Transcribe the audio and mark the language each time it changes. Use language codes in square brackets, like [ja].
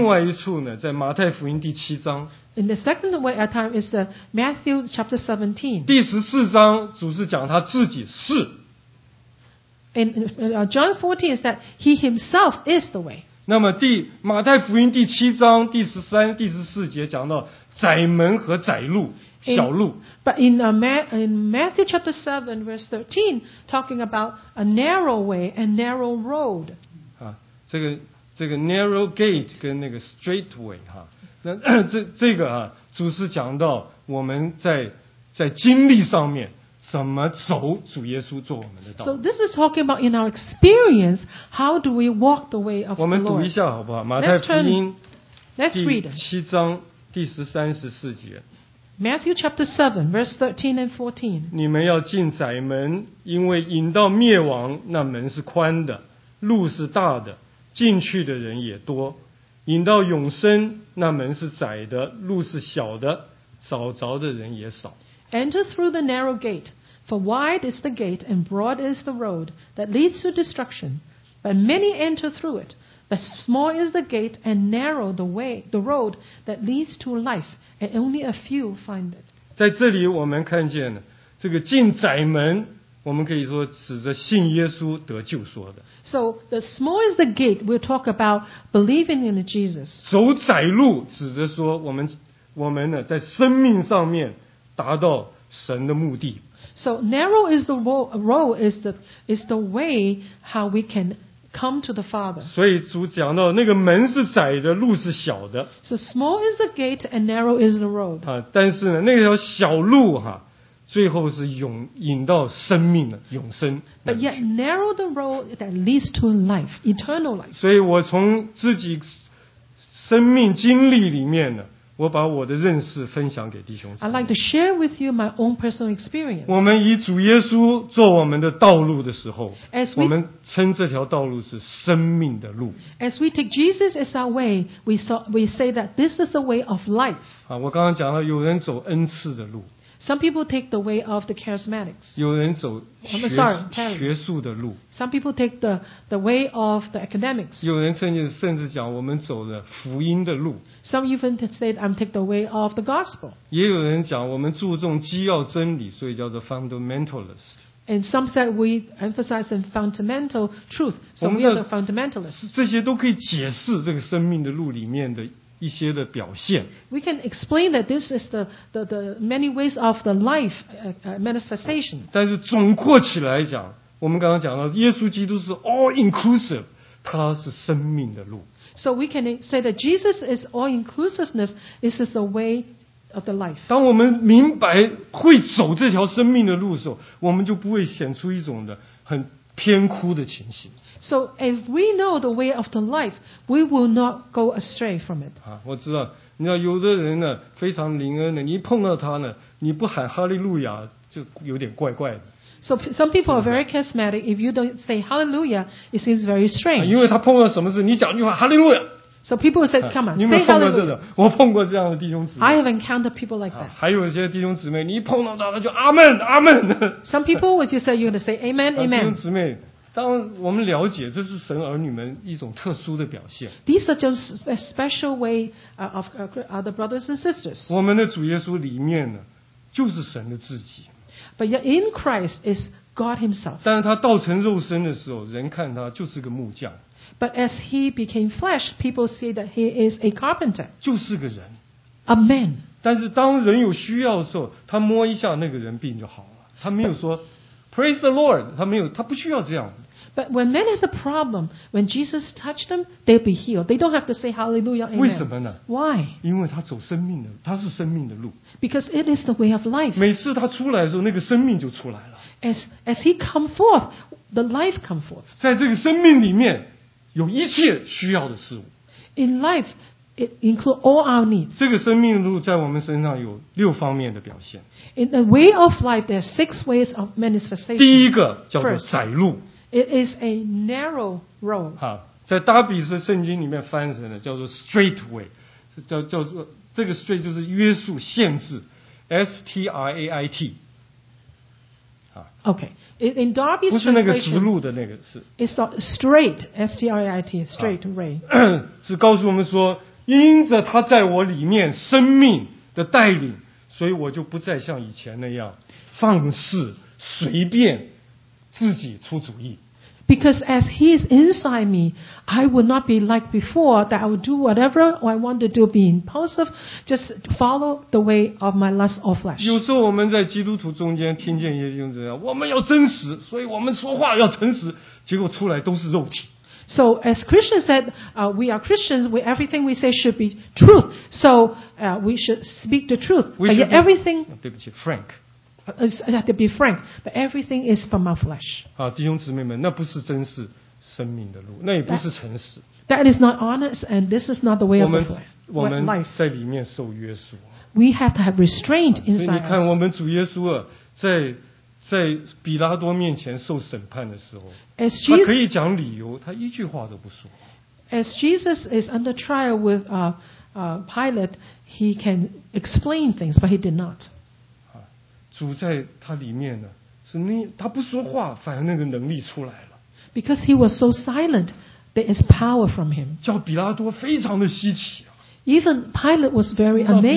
[zh] 另外一处呢，在马太福音7章。 [en] In the second way at time is Matthew chapter 17. [zh] 第十四章主是讲他自己是。 [en] In John 14 is that he himself is the way. [zh] 那么马太福音7章第13、第14节讲到窄门和窄路。小路。 [en] But in Matthew chapter 7 verse 13, talking about a narrow way and narrow road. [zh] 啊，这个 [en] narrow gate [zh] 跟那个 [en] straight way [zh] 哈，那这个啊，主是讲到我们在经历上面怎么走主耶稣做我们的道路。 [en] So this is talking about in our experience, how do we walk the way of the Lord? [zh] 我们读一下好不好？马太福音 7章13-14节。 [en] Matthew chapter 7, verse 13 and 14. [zh] 你们要进窄门，因为引到灭亡，那门是宽的，路是大的，进去的人也多，引到永生，那门是窄的，路是小的，找着的人也少。 [en] Enter through the narrow gate, for wide is the gate and broad is the road that leads to destruction, but many enter through it. But small is the gate and narrow the way, the road that leads to life, and only a few find it. [zh] 在这里我们看见了这个进窄门。我们可以说指着信耶稣得救说的。 [en] So the small is the gate. We'll talk about believing in Jesus. [zh] 走窄路指着说我们呢在生命上面达到神的目的。 [en] So narrow is the road is the way how we can come to the Father. [zh] 所以主讲到那个门是窄的，路是小的。 [en] So small is the gate and narrow is the road. [zh] 啊，但是呢，那条小路哈。最后是引到生命的永生。 [en] But yet narrow the road that leads to life, eternal life. [zh] 所以我从自己生命经历里面呢，我把我的认识分享给弟兄姊妹。 [en] I'd like to share with you my own personal experience. [zh] 我们以主耶稣做我们的道路的时候，我们称这条道路是生命的路。 [en] As we take Jesus as our way, we say that this is the way of life. [zh] 啊，我刚刚讲了，有人走恩赐的路。 [en] Some people take the way of the charismatics. [zh] 有人走学术的路。 [en] Some people take the way of the academics. [zh] 有人甚至讲我们走的福音的路。 [en] Some even say I'm take the way of the gospel. [zh] 也有人讲我们注重基要真理，所以叫做 fundamentalist. [en] And some say we emphasize the fundamental truth, so we are the fundamentalists. [zh] 这些都可以解释这个生命的路里面的。一些的表现。 [en] We can explain that this is the many ways of the life manifestation. [zh] 但是总括起来讲，我们刚刚讲到，耶稣基督是 [en] all inclusive， [zh] 他是生命的路。 [en] So we can say that Jesus is all inclusiveness. This is the way of the life. [zh] 当我们明白会走这条生命的路的时候，我们就不会显出一种的很偏枯的情形。 [en] So if we know the way of the life, we will not go astray from it. [zh] 啊，我知道，你知道有的人呢，非常灵恩的，你一碰到他呢，你不喊哈利路亚就有点怪怪的。 [en] So some people are very charismatic. If you don't say hallelujah, it seems very strange. [zh] 啊，因为他碰到什么事，你讲一句话哈利路亚。 [en] So people will say, come on, [zh] 你们碰过这个？我碰过这样的弟兄姊妹。 [en] I have encountered people like that. [zh] 还有一些弟兄姊妹，你一碰到他，他就阿门，阿门。 [en] Some people would just say, you're going to say, amen, amen. [zh] 弟兄姊妹，当我们了解这是神儿女们一种特殊的表现。 [en] These are just a special way of other brothers and sisters. [zh] 我们的主耶稣里面呢，就是神的自己。 [en] But yet in Christ is God Himself. [zh] 但是他道成肉身的时候，人看他就是个木匠。 [en] But as he became flesh, people see that he is a carpenter. [zh] 就是个人。 [en] A man. [zh] 但是当人有需要的时候，他摸一下那个人病就好了。他没有说 [en] praise the Lord. [zh] 他没有，他不需要这样子。 [en] But when men have a problem, when Jesus touched them, they'll be healed. They don't have to say hallelujah, amen. [zh] 为什么呢？ [en] Why? [zh] 因为他走生命的，他是生命的路。 [en] Because it is the way of life. [zh] 每次他出来的时候，那个生命就出来了。 [en] As he come forth, the life come forth. [zh] 在这个生命里面有一切需要的事物。 [en] In life, it includes all our needs. [zh] 这个生命路在我们身上有六方面的表现。 [en] In the way of life, there are six ways of manifestation. [zh] 第一个叫做窄路。 [en] It is a narrow road. [zh] 好，在大比斯圣经里面翻成的叫做 straight way， 叫做这个 straight 就是约束限制 ，S-T-R-A-I-T。 [en] Okay. In Darby's translation, [zh] 不是那个直路的那个是。 [en] It's not straight, S-T-R-I-T, straight way. [zh] 是告诉我们说，因着他在我里面生命的带领，所以我就不再像以前那样放肆随便自己出主意。 [en] Because as he is inside me, I would not be like before that I would do whatever I want to do, be impulsive, just follow the way of my lust of flesh. [zh] 有时候我们在基督徒中间听见一些弟兄姊妹，我们要真实，所以我们说话要诚实，结果出来都是肉体。 [en] So as Christians said, we are Christians. We everything we say should be truth. So we should speak the truth. But yet everything. [zh] 对不起 ，Frank。 [en] I have to be frank, but everything is from our flesh. [zh] 好，弟兄姊妹们，那不是真实生命的路，那也不是诚实。 [en] That is not honest, and this is not the way of the flesh. [zh] 我们在里面受约束。 [en] We have to have restraint inside. [zh] 所以你看，我们主耶稣啊，在比拉多面前受审判的时候，他可以讲理由，他一句话都不说。 [en] As Jesus is under trial with Pilate, he can explain things, but he did not. [zh] 主在他里面呢，是那他不说话，反而那个能力出来了。 [en] Because he was so silent, there is power from him. [zh] 叫比拉多非常的稀奇。 Even Pilate was very amazed.